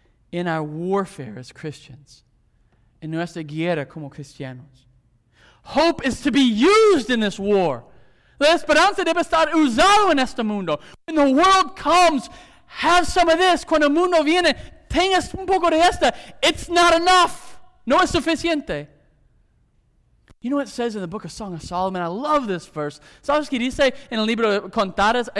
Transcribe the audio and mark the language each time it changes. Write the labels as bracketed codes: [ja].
[en] In our warfare as Christians. [es] En nuestra guerra como cristianos. [en] Hope is to be used in this war. [es] La esperanza debe estar usado en este mundo. [en] When the world comes, have some of this. [es] Cuando el mundo viene, tengas un poco de esta. [en] It's not enough. [es] No es suficiente. [en] You know what it says in the book of Song of Solomon? I love this verse. [es] ¿Sabes qué dice en el libro de Contadas?